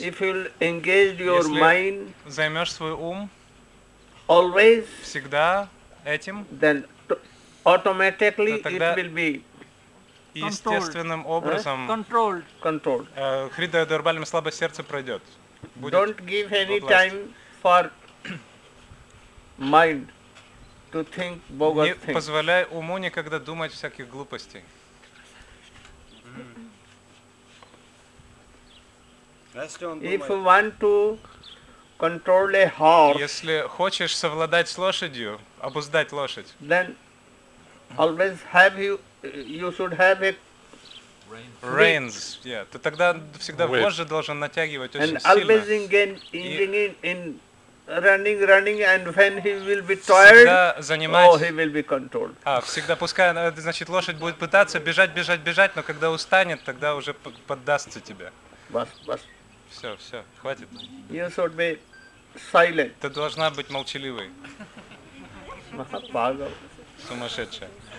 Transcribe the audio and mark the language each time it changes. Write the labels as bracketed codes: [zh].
[en] If you will engage your mind. [ru] Если займешь свой ум. [en] Always. [ru] Всегда этим. [en] Then automatically it will be. [ru] Естественным образом. [en] Controlled. Controlled. [ru] Хридая Дурбалим, слабое сердце пройдет. [en] Don't give any time for mind to think bogus things. [ru] Не позволяй уму никогда думать всяких глупостей. [en] If you want to control a horse, [ru] если хочешь совладать с лошадью, обуздать лошадь, [en] then always have you should have a Reins. Yeah. [ru] Ты тогда всегда вожжи должен натягивать очень [en] and [ru] сильно. [en] And always in running, and when he will be tired, he will be controlled. [ru] А, всегда, пускай, значит, лошадь будет пытаться бежать, но когда устанет, тогда уже поддастся тебе. [hi] Бас. [ru] Все, хватит. [en] You should be silent. [ru] Ты должна быть молчаливой. [hi] Пагал. [ru] Сумасшедшая.